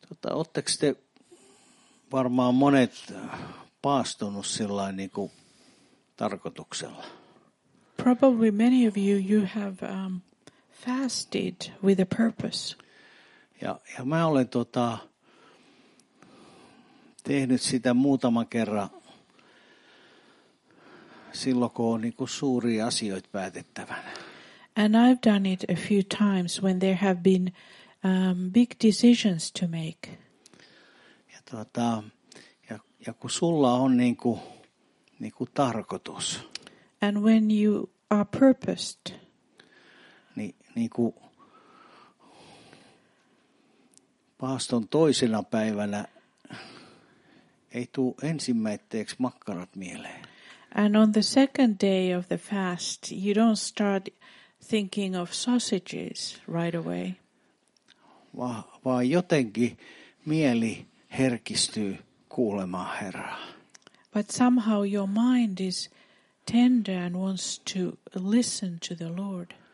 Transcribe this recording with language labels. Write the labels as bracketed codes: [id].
[fi] Oletteko te varmaan monet paastunut sillä niin kuin tarkoituksella? [en] Probably many of you have fasted with a purpose. [fi] Ja mä olen tehnyt sitä muutaman kerran silloin kun on niin kuin suuria asioita päätettävänä. [en] And I've done it a few times when there have been big decisions to make. [fi] Ja tuota, ja kun sulla on niin kuin tarkoitus. [en] And when you are purposed. [fi] Niin kuin paaston toisena päivänä ei tule ensimmäiseksi makkarat mieleen. [en] And on the second day of the fast, you don't start thinking of sausages right away. [fi] Vaan jotenkin mieli herkistyy kuulemaan Herraa. [en] But somehow your mind is tender and wants to listen to the Lord.